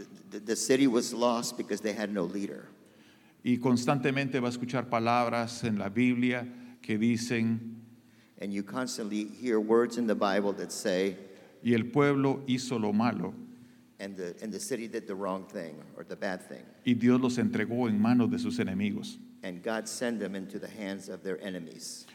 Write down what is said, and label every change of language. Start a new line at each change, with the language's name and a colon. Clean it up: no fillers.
English: The city was lost because they had no leader.
Spanish: Y constantemente va a escuchar palabras en la Biblia que dicen,
English: and you constantly hear words in the Bible that say,
Spanish: y el pueblo hizo lo malo,
English: and the city did the wrong thing or the bad thing,
Spanish: y Dios los entregó en manos de sus enemigos,
English: and God sent them into the hands of their enemies.